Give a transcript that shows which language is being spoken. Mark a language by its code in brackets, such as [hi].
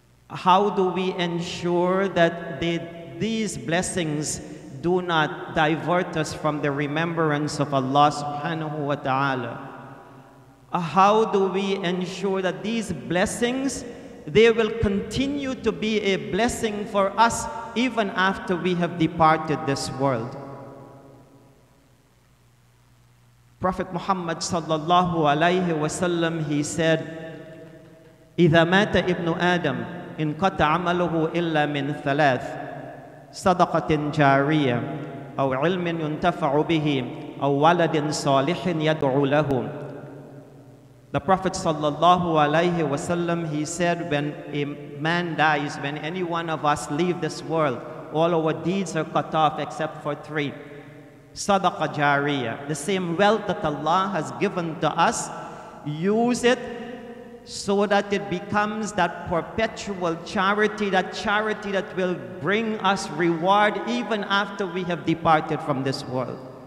[en] How do we ensure that these blessings do not divert us from the remembrance of Allah subhanahu wa ta'ala? How do we ensure that these blessings, they will continue to be a blessing for us even after we have departed this world? Prophet Muhammad sallallahu alayhi wa sallam, he said, [ar] إِذَا مَاتَ إِبْنُ آدَمٍ إِنْ قَتَ عَمَلُهُ إِلَّا مِنْ ثَلَاثٍ صَدَقَةٍ جَارِيَةٍ أَوْ عِلْمٍ يُنْتَفَعُ بِهِ أَوْ وَلَدٍ صَالِحٍ يَدْعُو لَهُ. [en] The Prophet sallallahu alayhi wa sallam, he said, when a man dies, when any one of us leave this world, all our deeds are cut off except for three. Sadaqa jariya, the same wealth that Allah has given to us, use it so that it becomes that perpetual charity that will bring us reward even after we have departed from this world.